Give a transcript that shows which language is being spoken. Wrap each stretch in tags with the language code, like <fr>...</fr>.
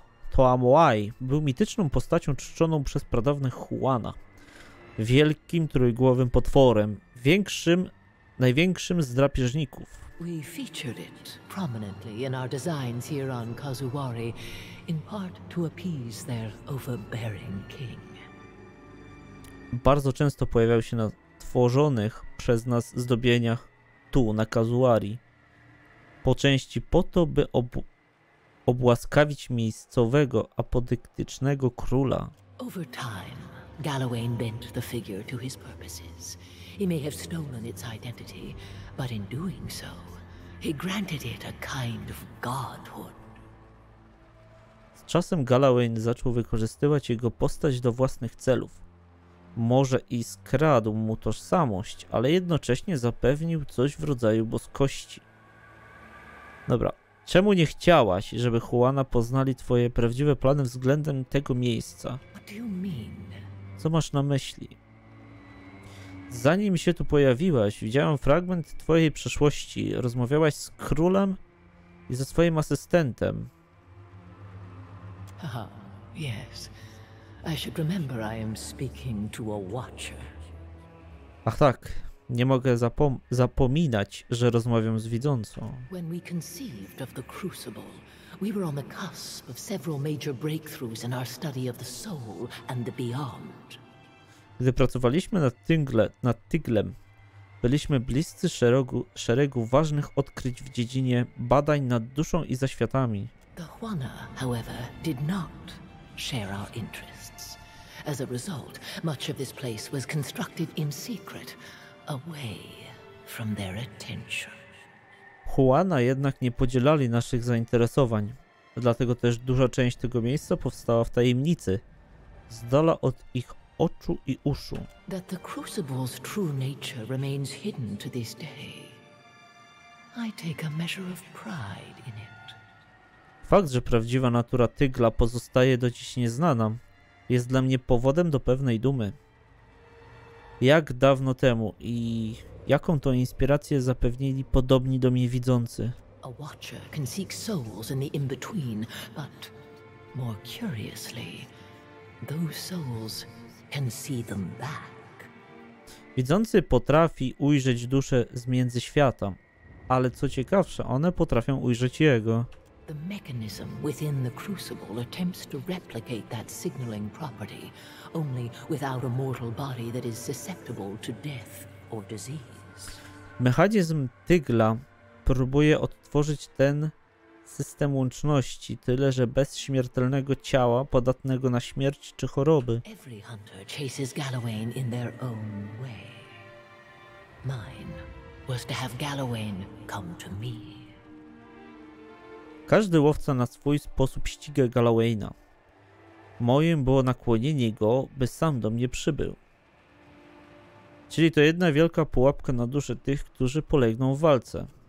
<pl>Toamohai był mityczną postacią czczoną przez pradawnych Hwana, wielkim trójgłowym potworem, największym z drapieżników.</pl> <en>We featured it prominently in our designs here on Kazuwari, in part to appease their overbearing king.</en> <pl>Bardzo często pojawiał się na tworzonych przez nas zdobieniach tu, na Kazuwari, po części po to, by obłaskawić miejscowego, apodyktycznego króla.</pl> <en>Over time, Galloway bent the figure to his purposes. He may have stolen its identity, but in doing so, he granted it a kind of godhood.</en> <pl>Z czasem Galloway zaczął wykorzystywać jego postać do własnych celów. Może i skradł mu tożsamość, ale jednocześnie zapewnił coś w rodzaju boskości. Dobra, czemu nie chciałaś, żeby Hwana poznali twoje prawdziwe plany względem tego miejsca?</pl> <en>What do you mean?</en> <pl>Co masz na myśli? Zanim się tu pojawiłaś, widziałem fragment twojej przeszłości. Rozmawiałaś z królem i ze swoim asystentem.</pl> <en>Aha, yes. I should remember I am speaking to a watcher.</en> <pl>Ach tak, nie mogę zapominać, że rozmawiam z widzącą.</pl> <en>When we conceived of the Crucible, we were on the cusp of several major breakthroughs in our study of the soul and the beyond.</en> <pl>Gdy pracowaliśmy nad Tyglem, byliśmy bliscy szeregu ważnych odkryć w dziedzinie badań nad duszą i zaświatami.</pl> <en>The Hwana, however, did not share our interests. As a result, much of this place was constructed in secret, away from their attention.</en> <pl>Hwana jednak nie podzielali naszych zainteresowań, dlatego też duża część tego miejsca powstała w tajemnicy, z dala od ich oczu i uszu.</pl> <en>That the Crucible's true nature remains hidden to this day. I take a measure of pride in it.</en> <pl>Fakt, że prawdziwa natura Tygla pozostaje do dziś nieznana, jest dla mnie powodem do pewnej dumy. Jak dawno temu i jaką to inspirację zapewnili podobni do mnie widzący?</pl> <en>A watcher can seek souls in the in-between, but more curiously, those souls can see them back.</en> <pl>Widzący potrafi ujrzeć duszę z międzyświata, ale co ciekawsze, one potrafią ujrzeć jego.</pl> <en>The mechanism within the Crucible attempts to replicate that signaling property, only without a mortal body that is susceptible to death or disease.</en> <pl>Mechanizm Tygla próbuje odtworzyć ten system łączności, tyle że bez śmiertelnego ciała podatnego na śmierć czy choroby.</pl> <en>Every hunter chases Gawain in their own way. Mine was to have Gawain come to me.</en> <pl>Każdy łowca na swój sposób ściga Gawaina. Moim było nakłonienie go, by sam do mnie przybył. Czyli to jedna wielka pułapka na duszę tych, którzy polegną w walce.</pl>